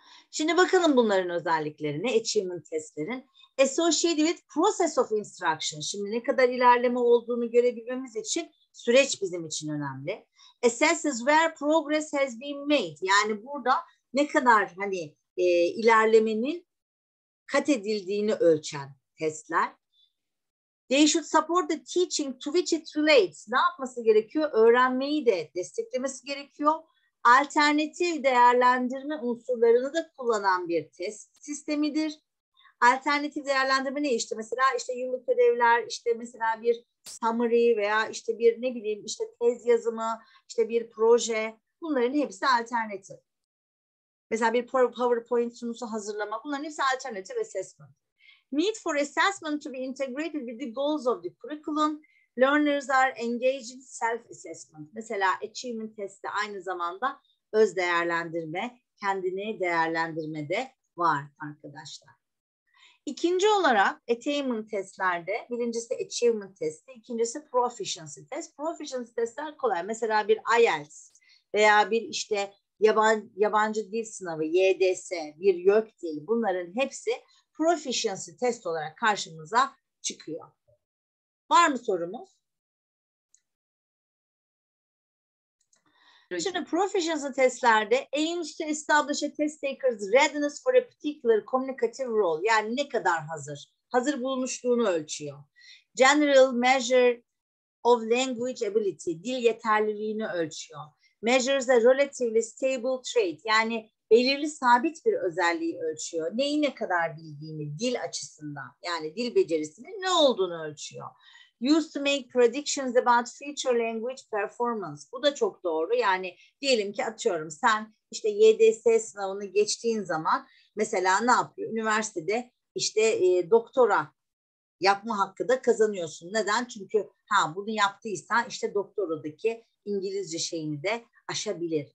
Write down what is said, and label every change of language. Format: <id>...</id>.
<tr>Şimdi bakalım bunların özelliklerine, achievement testlerin.</tr> <en>Associated with process of instruction.</en> <tr>Şimdi ne kadar ilerleme olduğunu görebilmemiz için süreç bizim için önemli.</tr> <en>Assesses where progress has been made.</en> <tr>Yani burada ne kadar hani ilerlemenin kat edildiğini ölçen testler.</tr> <en>They should support the teaching to which it relates.</en> <tr>Ne yapması gerekiyor? Öğrenmeyi de desteklemesi gerekiyor. Alternatif değerlendirme unsurlarını da kullanan bir test sistemidir. Alternatif değerlendirme ne işte? Mesela işte yıllık ödevler, işte mesela bir summary veya işte bir ne bileyim işte tez yazımı, işte bir proje. Bunların hepsi alternatif. Mesela bir PowerPoint sunusu hazırlama. Bunların hepsi alternatif assessment.</tr> <en>Need for assessment to be integrated with the goals of the curriculum. Learners are engaged in self-assessment.</en> <tr>Mesela achievement testi aynı zamanda öz değerlendirme, kendini değerlendirme de var arkadaşlar. İkinci olarak attainment testlerde, birincisi achievement testi, ikincisi proficiency test. Proficiency testler kolay. Mesela bir IELTS veya bir işte yabancı dil sınavı, YDS, bir YÖK değil, bunların hepsi proficiency test olarak karşımıza çıkıyor. Var mı sorumuz? Evet. Şimdi proficiency testlerde</tr> <en>aims to establish a test taker's readiness for a particular communicative role.</en> <tr>Yani ne kadar hazır? Hazır bulmuşluğunu ölçüyor.</tr> <en>General measure of language ability.</en> <tr>Dil yeterliliğini ölçüyor.</tr> <en>Measures a relatively stable trait.</en> <tr>Yani belirli sabit bir özelliği ölçüyor. Neyi ne kadar bildiğini dil açısından, yani dil becerisinin ne olduğunu ölçüyor.</tr> <en>Used to make predictions about future language performance.</en> <tr>Bu da çok doğru. Yani diyelim ki atıyorum sen işte YDS sınavını geçtiğin zaman mesela ne yapıyor? Üniversitede işte doktora yapma hakkı da kazanıyorsun. Neden? Çünkü ha bunu yaptıysan işte doktoradaki İngilizce şeyini de aşabilir.</tr>